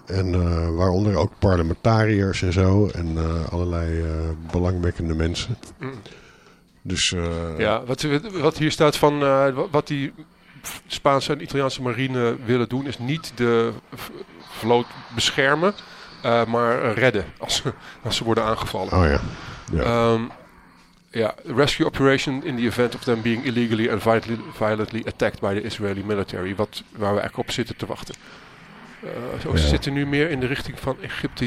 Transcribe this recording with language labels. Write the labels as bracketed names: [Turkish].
[Dutch] En waaronder ook parlementariërs en zo en allerlei belangwekkende mensen. Mm. Dus, ja, wat hier staat van wat die Spaanse en Italiaanse marine willen doen is niet de vloot beschermen. Maar redden als ze worden aangevallen. Oh ja. Ja. [English] Ja, rescue operation in the event of them being illegally and violently attacked by the Israeli military. [Dutch] Wat, waar we eigenlijk op zitten te wachten. Ja. Ze zitten nu meer in de richting van Egypte.